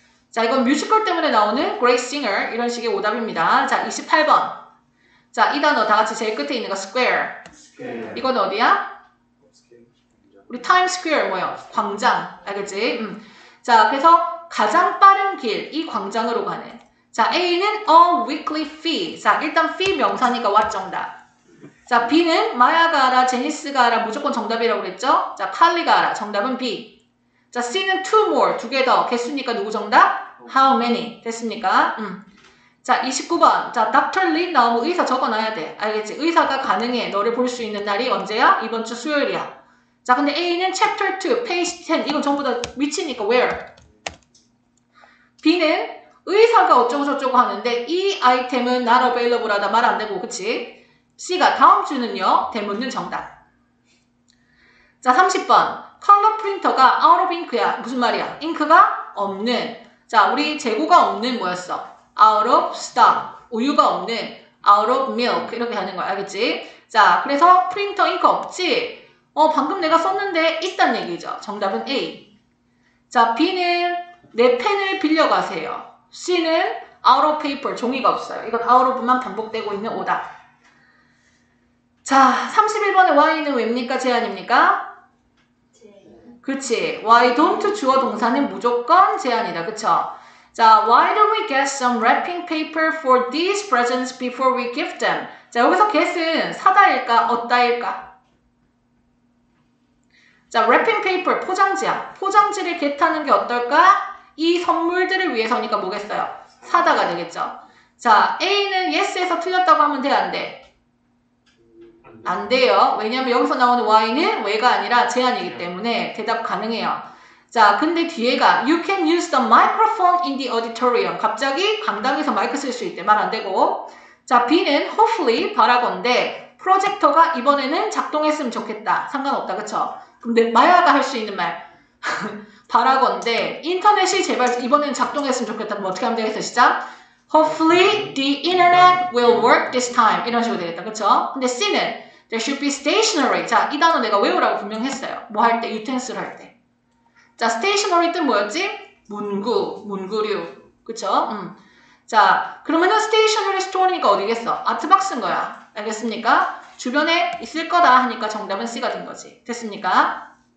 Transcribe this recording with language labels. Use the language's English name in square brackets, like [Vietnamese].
[Korean] 자, 이건 뮤지컬 때문에 나오는 great singer 이런 식의 오답입니다. 자, 28번. 자, 이 단어 다 같이 제일 끝에 있는 거 square. 이건 어디야? 우리 Times Square 뭐예요? 광장. 알겠지? 자, 그래서 가장 빠른 길, 이 광장으로 가는. 자, A는 a weekly fee. 자, 일단 fee 명사니까 what 정답. 자, B는 마야가 알아, 제니스가 알아, 무조건 정답이라고 그랬죠? 자, 칼리가 알아, 정답은 B. 자, C는 two more, 두 개 더, 개수니까 누구 정답? [English] How many? [Korean] 됐습니까? 자, 29번. 자, Dr. Lin 나오면 의사 적어놔야 돼. 알겠지? 의사가 가능해. 너를 볼 수 있는 날이 언제야? 이번 주 수요일이야. 자, 근데 A는 chapter 2, page 10. 이건 전부 다 위치니까 where? B는 의사가 어쩌고저쩌고 하는데 이 아이템은 not available 하다 말 안 되고, 그치? C가 다음 주는요? 대묻는 정답. 자, 30번. 컬러 프린터가 out of ink야. 무슨 말이야? 잉크가 없는. 자, 우리 재고가 없는 뭐였어? out of stock. 우유가 없는. out of milk. 이렇게 하는 거야. 알겠지? 자, 그래서 프린터 잉크 없지? 방금 내가 썼는데 있단 얘기죠. 정답은 A. 자, B는 내 펜을 빌려가세요. C는 out of paper, 종이가 없어요. 이건 out of만 반복되고 있는 오답. 자, 31번의 why는 왜입니까? 제안입니까? 그렇지. Why don't 주어 동사는 무조건 제안이다. 그쵸? [English] 자, why don't we get some wrapping paper for these presents before we give them? [Korean] 자, 여기서 get은 사다일까? 얻다일까? 자, wrapping paper, 포장지야. 포장지를 get하는 게 어떨까? 이 선물들을 위해서니까 뭐겠어요? 사다가 되겠죠. 자, A는 yes에서 틀렸다고 하면 돼, 안 돼? 안 돼요. 왜냐면 여기서 나오는 why는 왜가 아니라 제안이기 때문에 대답 가능해요. 자, 근데 뒤에가 [English] you can use the microphone in the auditorium. [Korean] 갑자기 강당에서 마이크 쓸 수 있대. 말 안 되고. 자, B는 hopefully 바라건대 프로젝터가 이번에는 작동했으면 좋겠다. 상관없다. 그쵸? 근데 마야가 할 수 있는 말. 바라건대 인터넷이 제발 이번에는 작동했으면 좋겠다. 그럼 어떻게 하면 되겠어? 시작. [English] Hopefully the internet will work this time. [Korean] 이런 식으로 되겠다. 그쵸? 근데 C는 [English] there should be stationery. [Korean] 자, 이 단어 내가 외우라고 분명 했어요. 뭐 할 때? utensil 할 때. 자, stationery 뜻 뭐였지? 문구, 문구류. 그쵸? 자, 그러면은 stationery store니까 어디겠어? 아트박스인 거야. 알겠습니까? 주변에 있을 거다 하니까 정답은 C가 된 거지. 됐습니까?